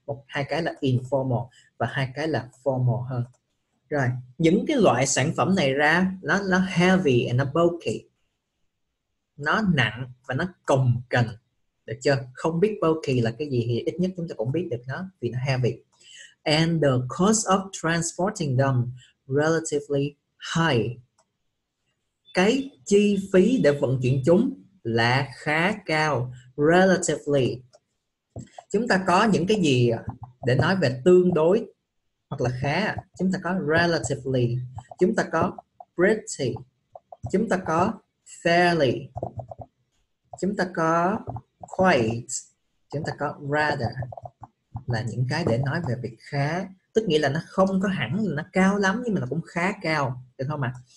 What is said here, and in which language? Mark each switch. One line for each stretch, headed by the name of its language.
Vietnamese: Một, hai cái là informal và hai cái là formal hơn. Rồi, những cái loại sản phẩm này ra, nó
English: heavy and
Vietnamese: nó bulky, nó nặng và nó cồng kềnh, được chưa? Không biết bulky là cái gì thì ít nhất chúng ta cũng biết được nó vì nó heavy.
English: And the cost of transporting them relatively high.
Vietnamese: Cái chi phí để vận chuyển chúng là khá cao, relatively. Chúng ta có những cái gì để nói về tương đối hoặc là khá? Chúng ta có relatively, chúng ta có pretty, chúng ta có fairly, chúng ta có quite, chúng ta có rather, là những cái để nói về việc khá, tức nghĩa là nó không có hẳn là nó cao lắm nhưng mà nó cũng khá cao, được không ạ?